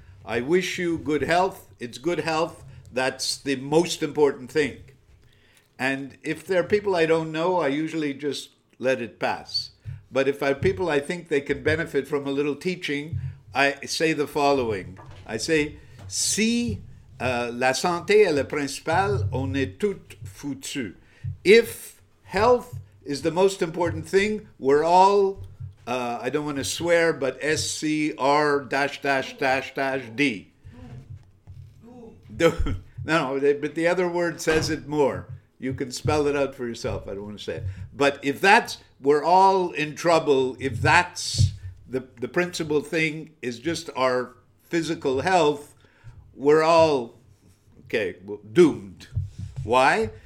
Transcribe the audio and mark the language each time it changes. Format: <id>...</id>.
<en>I wish you good health, it's good health, that's the most important thing. And if there are people I don't know, I usually just let it pass. But if I have people I think they can benefit from a little teaching, I say the following.</en> <fr>I say, si la santé est le principal, on est tout foutu.</fr> <en>If health is the most important thing, we're all, I don't want to swear, but SCR-D. No, but the other word says it more. You can spell it out for yourself. I don't want to say it. But if that's, we're all in trouble, if that's the principal thing is just our physical health, we're all, okay, doomed. Why?</en>